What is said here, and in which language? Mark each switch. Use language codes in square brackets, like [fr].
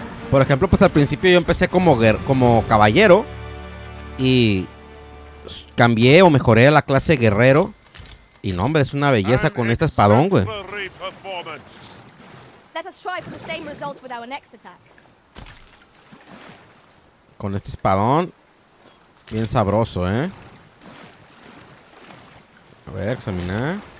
[es] Por ejemplo, pues al principio yo empecé como caballero y cambié o mejoré a la clase guerrero. Y no, hombre, es una belleza con este espadón, güey. [en] Let us try for the same results with our next attack. [es] Con este espadón, bien sabroso, ¿eh? A ver, examinar.